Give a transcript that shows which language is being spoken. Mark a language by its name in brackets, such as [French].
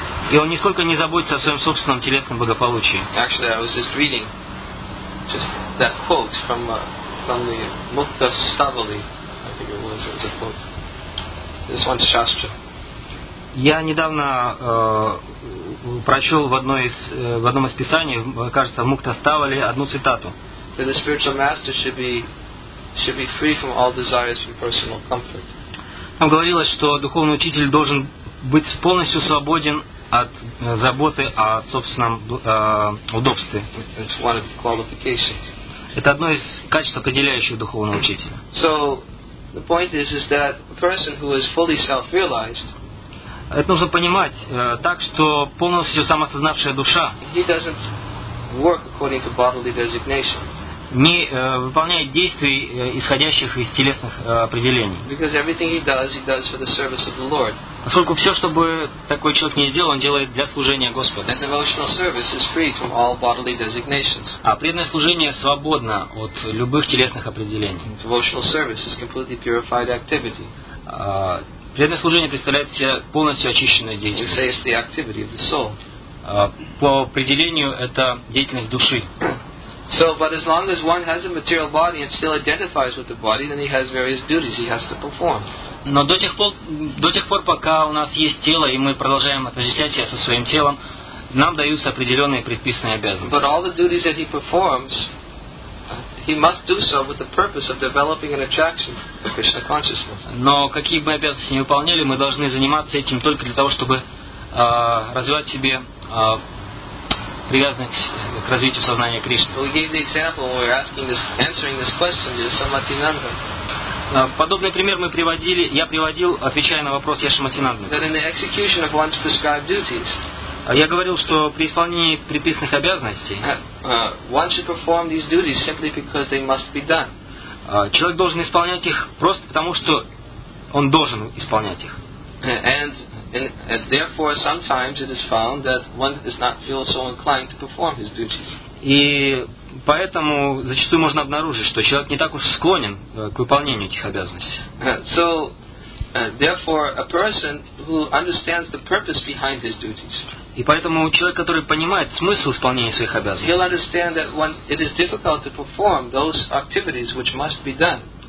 [Russian] И он нисколько не заботится о своем собственном телесном благополучии. [English] Actually, I was just reading just that quote from the Mukta Stavali. I think it was a quote. This one's Shastra. [Russian] Я недавно прочел в одном из писаний, кажется, в Мукта Ставали, одну цитату. [English] For the spiritual master should be free from all desires for personal comfort. [Russian] Там говорилось, что духовный учитель должен быть полностью свободен от заботы о собственном удобстве. [English] It's one of the qualifications. [Russian] Это одно из качеств, определяющих духовного учителя. [English] So the point is that a person who is fully self-realized. [Russian] Это нужно понимать так, что полностью самосознавшая душа. [English] He doesn't work according to bodily designation. [Russian] Не выполняет действий, исходящих из телесных определений. [English] Because everything he does for the service of the Lord. [Russian] Поскольку все, что бы такой человек ни сделал, он делает для служения Господа. [English] And devotional service is free from all bodily designations. [Russian] А преданное служение свободно от любых телесных определений. [English] And devotional service is completely purified activity. [Russian] Преданное служение представляет себе полностью очищенную деятельность. [English] We say it's the activity of the soul. [Russian] По определению, это деятельность души. [English] So, but as long as one has a material body and still identifies with the body, then he has various duties he has to perform. [Russian] Но до тех пор, пока у нас есть тело, и мы продолжаем отождествлять себя со своим телом, нам даются определенные предписанные обязанности. [English] But all the duties that he performs, he must do so with the purpose of developing an attraction to Krishna consciousness. [Russian] Но какие бы обязанности ни выполняли, мы должны заниматься этим только для того, чтобы развивать себе привязанных к развитию сознания Кришны. [English] We gave the example when we were answering this question to Yashomatinanda. [Russian] Подобный пример мы приводили, я приводил, отвечая на вопрос Яшоматинанды. [English] That in the execution of one's prescribed duties. [Russian] Я говорил, что при исполнении предписанных обязанностей. [English] One should perform these duties simply because they must be done. [Russian] Человек должен исполнять их просто потому, что он должен исполнять их. [English] And therefore, sometimes it is found that one does not feel so inclined to perform his duties. [Russian] И поэтому зачастую можно обнаружить, что человек не так уж склонен к выполнению этих обязанностей. [English] So, therefore, a person who understands the purpose behind his duties. [Russian] И поэтому человек, который понимает смысл исполнения своих обязанностей. [English] He'll understand that when it is difficult to perform those activities which must be done.